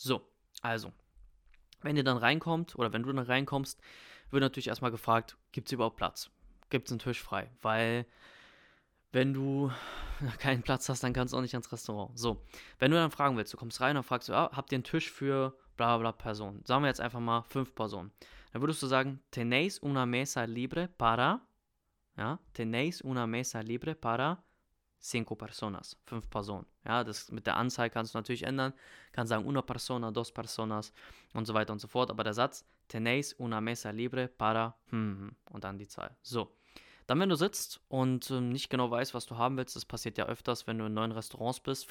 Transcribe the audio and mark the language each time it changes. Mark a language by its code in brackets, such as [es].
[de] So, also, wenn ihr dann reinkommt oder wenn du dann reinkommst, wird natürlich erstmal gefragt, gibt es überhaupt Platz? Gibt es einen Tisch frei? Weil, wenn du keinen Platz hast, dann kannst du auch nicht ins Restaurant. So, wenn du dann fragen willst, du kommst rein und fragst, habt ihr einen Tisch für bla bla Personen? Sagen wir jetzt einfach mal 5 Personen. [es] Dann würdest du sagen, ¿Tenéis una mesa libre para? Ja, ¿Tenéis una mesa libre para? [de] 5 personas, 5 Personen. Ja, das mit der Anzahl kannst du natürlich ändern. Kannst sagen, [es] una persona, dos personas [de] und so weiter und so fort. Aber der Satz, [es] tenéis una mesa libre para, [de] und dann die Zahl. So, dann wenn du sitzt und nicht genau weißt, was du haben willst, das passiert ja öfters, wenn du in neuen Restaurants bist.